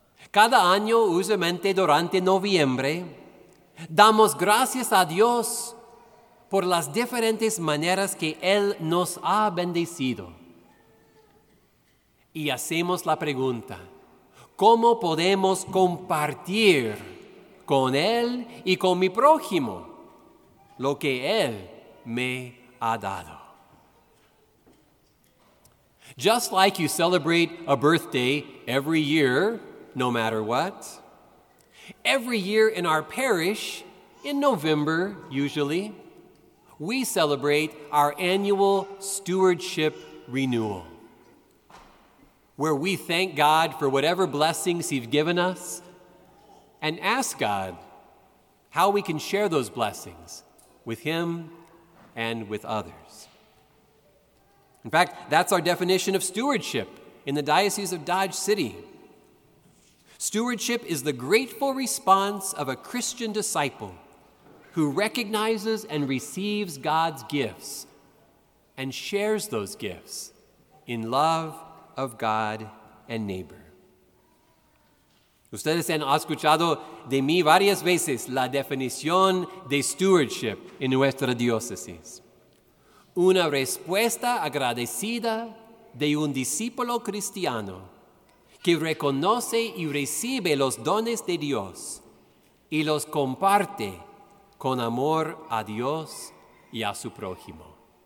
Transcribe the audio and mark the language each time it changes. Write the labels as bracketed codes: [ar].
[es] Cada año, usualmente durante noviembre, damos gracias a Dios por las diferentes maneras que Él nos ha bendecido. Y hacemos la pregunta, ¿cómo podemos compartir con Él y con mi prójimo lo que Él me ha dado? [en] Just like you celebrate a birthday every year, no matter what. Every year in our parish, in November usually, we celebrate our annual stewardship renewal, where we thank God for whatever blessings He's given us and ask God how we can share those blessings with Him and with others. In fact, that's our definition of stewardship in the Diocese of Dodge City. Stewardship is the grateful response of a Christian disciple who recognizes and receives God's gifts and shares those gifts in love of God and neighbor. [es] Ustedes han escuchado de mí varias veces la definición de stewardship en nuestra diócesis. Una respuesta agradecida de un discípulo cristiano que reconoce y recibe los dones de Dios y los comparte con amor a Dios y a su prójimo.